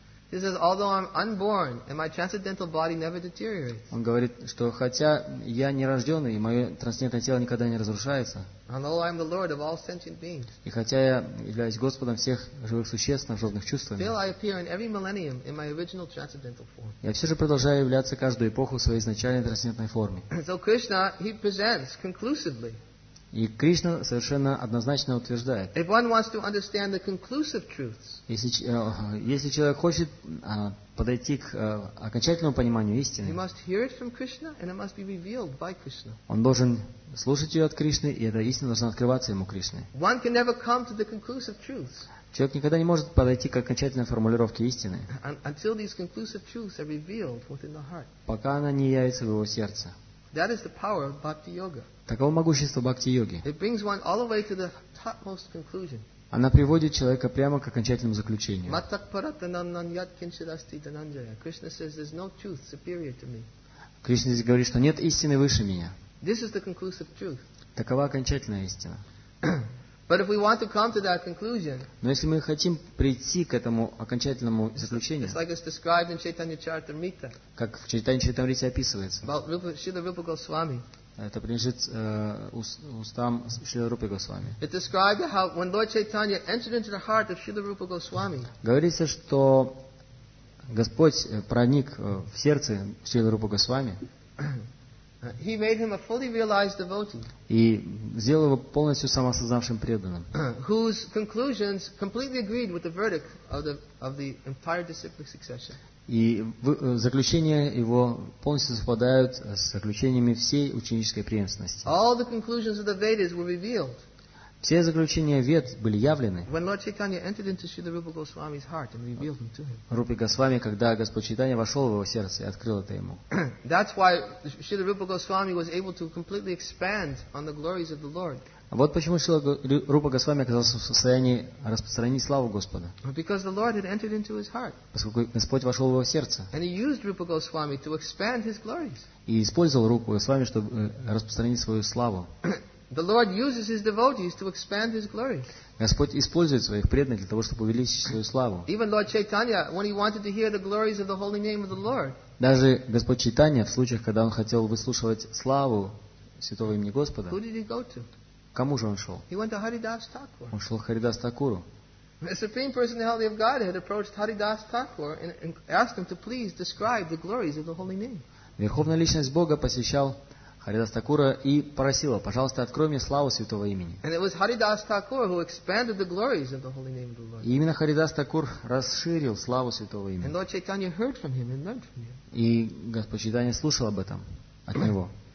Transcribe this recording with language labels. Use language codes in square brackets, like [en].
[en] He says, although I'm unborn, and my transcendental body never deteriorates. [ru] Он говорит, что хотя я не рожденный, и мое трансцендентное тело никогда не разрушается. [en] Although I'm the Lord of all sentient beings. [ru] И хотя я являюсь Господом всех живых существ, наживных чувств. [en] Still I appear in every millennium in my original transcendental form. [ru] Я все же продолжаю являться каждую эпоху в своей изначальной трансцендентной форме. [en] So Krishna, he presents conclusively. [ru] И Кришна совершенно однозначно утверждает. [en] If one wants to understand the conclusive truths, [ru] если человек хочет подойти к окончательному пониманию истины, [en] he must hear it from Krishna and it must be revealed by Krishna. [ru] Он должен слушать ее от Кришны, и эта истина должна открываться ему Кришной. [en] One can never come to the conclusive truths. [ru] Человек никогда не может подойти к окончательной формулировке истины, [en] until these conclusive truths are revealed within the heart. [ru] Пока она не явится в его сердце. [en] That is the power of bhakti yoga. [ru] Таково могущество бхакти-йоги. [en] It brings one all the way to the topmost conclusion. [ru] Она приводит человека прямо к окончательному заключению. [sa] Matak paratanam nan yat kinchid asti dananjaya. [en] Krishna says there's no truth superior to me. [ru] Кришна здесь говорит, что нет истины выше меня. [en] This is the conclusive truth. [ru] Такова окончательная истина. [en] But if we want to come to that conclusion, [ru] но если мы хотим прийти к этому окончательному заключению, [en] it's like it's described in Chaitanya Charitamrita, [ru] как в Чайтанья Чаритамрите описывается, [en] about Śrīla Rūpa Gosvāmī. [ru] Это принадлежит устам Шрилы Рупы Госвами. [en] It described how when Lord Chaitanya entered into the heart of Śrīla Rūpa Gosvāmī. [ru] Говорится, что Господь проник в сердце Шрилы Рупы Госвами. [en] He made him a fully realized devotee. [ru] И сделал его полностью самосознавшим преданным. [en] Whose conclusions completely agreed with the verdict of the entire disciplic succession. [ru] И заключения его полностью совпадают с заключениями всей ученической преемственности. [en] All the conclusions of the Vedas were revealed. [ru] Все заключения Вед были явлены. [en] When Lord Chaitanya entered into Śrīla Rūpa Gosvāmī's heart and revealed them to him. [ru] Рупа Госвами, когда Господь Чайтанья вошел в его сердце и открыл это ему. [en] That's why Śrīla Rūpa Gosvāmī was able to completely expand on the glories of the Lord. [ru] Вот почему Śrīla Rūpa Gosvāmī оказался в состоянии распространить славу Господа. [en] Because the Lord had entered into his heart. [ru] Поскольку Господь вошел в его сердце. [en] And he used Rūpa Gosvāmī to expand his glories. [ru] И использовал Рупу Госвами, чтобы распространить свою славу. [en] The Lord uses His devotees to expand His glory. [ru] Господь использует своих преданных для того, чтобы увеличить свою славу. [en] Even Lord Chaitanya, when he wanted to hear the glories of the holy name of the Lord. [ru] Даже Господь Чайтанья в случаях, когда он хотел выслушивать славу святого имени Господа. [en] Who did he go to? [ru] Кому же он шел? [en] He went to Haridas Thakur. [ru] Он шел к Харидас Такуру. [en] The Supreme Personality of Godhead approached Haridas Thakur and asked him to please describe the glories of the holy name. [ru] Верховная личность Бога посещал Харидас Такура и просила, пожалуйста, открой мне славу святого имени. И именно Харидас Такур расширил славу святого имени. И Господь Чайтанья слушал об этом от него.